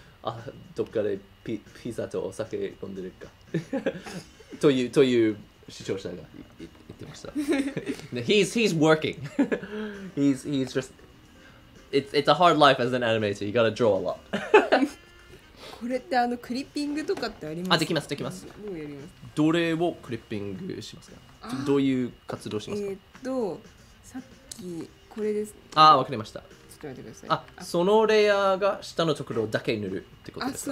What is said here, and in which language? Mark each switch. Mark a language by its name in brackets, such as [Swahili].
[Japanese] Ah, どっかでピザとお酒飲んでるかという視聴者が言ってました。 [English] he's working. he's just it's a hard life as an animator. You gotta draw a lot. [Japanese] これってあのクリッピングとかってあります？あ、できますできます。もうやります。どれをクリッピングしますか？どういう活動しますか？さっきこれです。あ、わかりました。あ、そのレイヤーが下のところだけ塗るってことですか？